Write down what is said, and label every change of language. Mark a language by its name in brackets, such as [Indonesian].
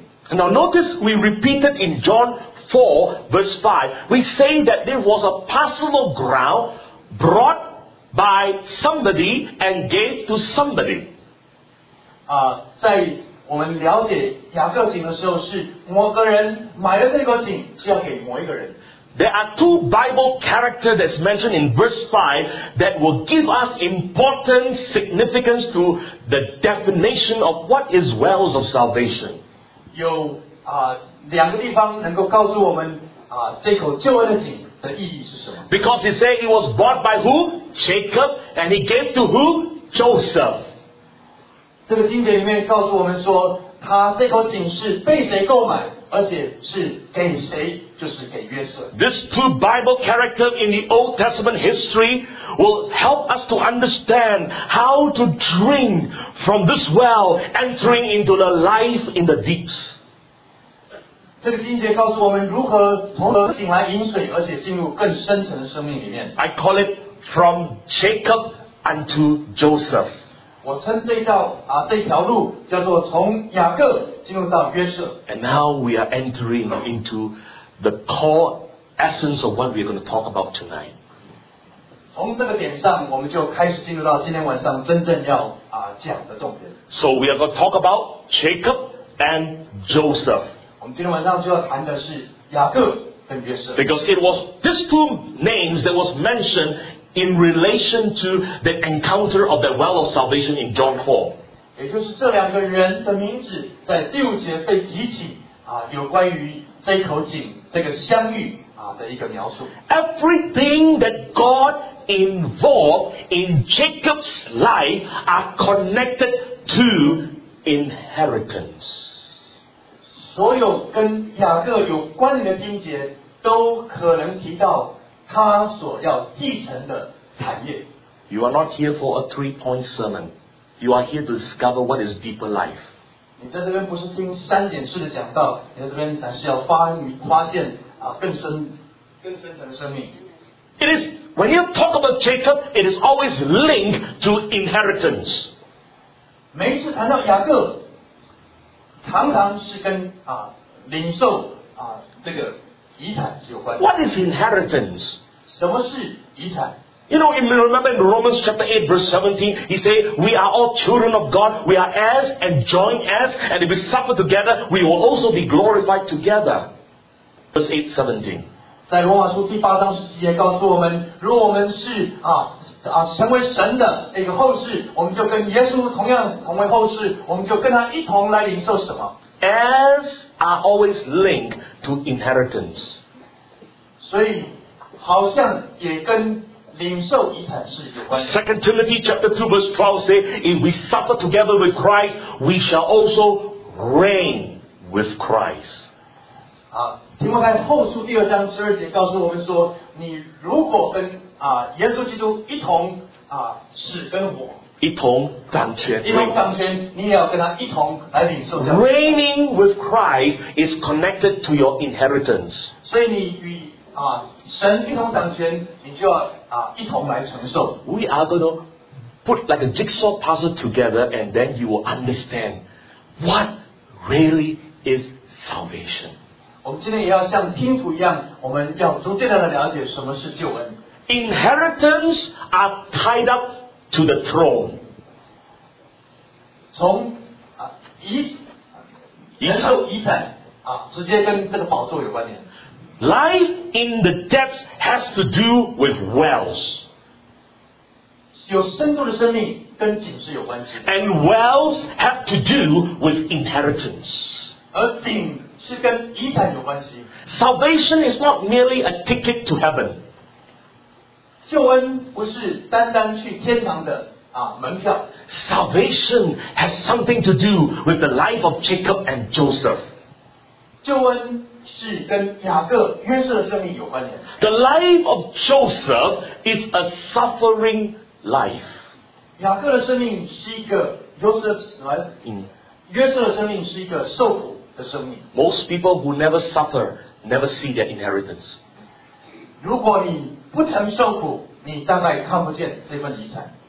[English] Now notice we repeated in John 4 verse 5. We say that there was a parcel of ground brought by somebody and gave to somebody. [Chinese] 在我们了解雅各井的时候，是某个人买了这口井，是要给某一个人。 [English] There are two Bible characters that's mentioned in verse 5 that will give us important significance to the definition of what is wells of salvation. [Chinese] 有两个地方能够告诉我们这口救恩的井的意义是什么。 [English] Because he said it was bought by who? Jacob. And he gave to who? Joseph. [Chinese] 这个经典里面告诉我们说，他这口井是被谁购买？而且是给谁，就是给约瑟。 [English] This two Bible characters in the Old Testament history will help us to understand how to drink from this well, entering into the life in the deeps. [Chinese] 这个经节告诉我们如何从河井来饮水，而且进入更深层的生命里面。 [English] I call it from Jacob unto Joseph. [Chinese] 我称这一道啊，这一条路叫做从雅各进入到约瑟。 [English] And now we are entering into the core essence of what we're going to talk about tonight. [Chinese] 从这个点上，我们就开始进入到今天晚上真正要啊讲的重点。 [English] So we are going to talk about Jacob and Joseph. [Chinese] 我们今天晚上就要谈的是雅各跟约瑟。 [English] Because it was these two names that was mentioned. In relation to the encounter of the well of salvation in John 4. [Chinese] 也就是这两个人的名字在第五节被提起、啊、有关于这一口井这个相遇、啊、的一个描述。 [English] Everything that God involved in Jacob's life are connected to inheritance. [Chinese] 所有跟雅各有关联的经节都可能提到他所要继承的产业。 [English] You are not here for a three-point sermon. You are here to discover what is deeper life. [Chinese] 你在这边不是听三点式的讲道，你在这边乃是要发现、啊、更深层的生命。 [English] It is when you talk about Jacob, it is always linked to inheritance. [Chinese] 每一次谈到雅各，常常是跟啊领受啊这个。 [English] What is inheritance? [Chinese] 什么是遗产? [English] You know, if you remember in Romans chapter 8 verse 17, he said, we are all children of God, we are heirs and joint heirs, and if we suffer together, we will also be glorified together. Verse 8, 17. [Chinese] 在罗马书第八章十七节告诉我们，如果我们是成为神的一个后世，我们就跟耶稣同样同为后世，我们就跟他一同来领受什么。 [English] As are always linked to inheritance. [Chinese] 所以好像也跟领受遗产是有关的。 [English] 2 Timothy chapter 2 verse 12 says, if we suffer together with Christ, we shall also reign with Christ. [Chinese] 提摩太后书第二章十二节告诉我们说，你如果跟耶稣基督一同死跟活。一同掌权，一同掌权，你也要跟他一同来领受。 [English] Reigning with Christ is connected to your inheritance. [Chinese] 所以你与神一同掌权，你就要一同来承受。 [English] We are going to put like a jigsaw puzzle together, and then you will understand what really is salvation. [Chinese] 我们今天也要像拼图一样，我们要逐渐的了解什么是救恩。 [English] Inheritance are tied up. To the throne. [Chinese] 从遗产，遗产直接跟这个宝座有关联。 [English] Life in the depths has to do with wells. [Chinese] 有深度的生命跟井是有关系。 [English] And wells have to do with inheritance. [Chinese] 而井是跟遗产有关系。 [English] Salvation is not merely a ticket to heaven. [Chinese] 救恩不是单单去天堂的门票。 [English] Salvation has something to do with the life of Jacob and Joseph. [Chinese] 救恩是跟雅各、约瑟的生命有关联。 [English] The life of Joseph is a suffering life. [Chinese] 雅各的生命是一个 Joseph 死亡。约瑟的生命是一个受苦的生命。 [English] Most people who never suffer never see their inheritance. [Chinese] 如果你不曾受苦，你大概看不见这份遗产。